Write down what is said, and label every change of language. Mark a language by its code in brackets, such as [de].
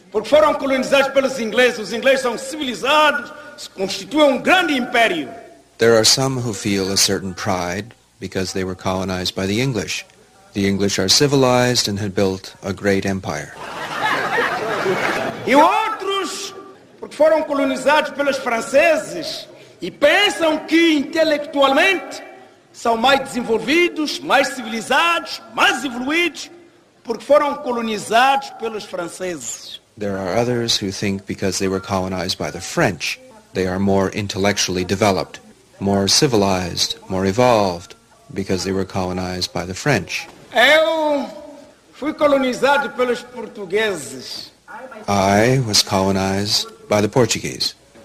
[pt] Porque foram colonizados pelos ingleses. Os ingleses são civilizados, se constituem grande império. [en] There are some who feel a certain pride because they were colonized by the English. The English are civilized and had built a great empire. [pt] E outros, porque foram colonizados pelos franceses e pensam que intelectualmente são mais desenvolvidos, mais civilizados, mais evoluídos, porque foram colonizados pelos franceses. [en] There are others who think because they were colonized by the French, they are more intellectually developed, more civilized, more evolved, because they were colonized by the French. [pt] Eu fui colonizado pelos portugueses. [en] I was colonized by the Portuguese.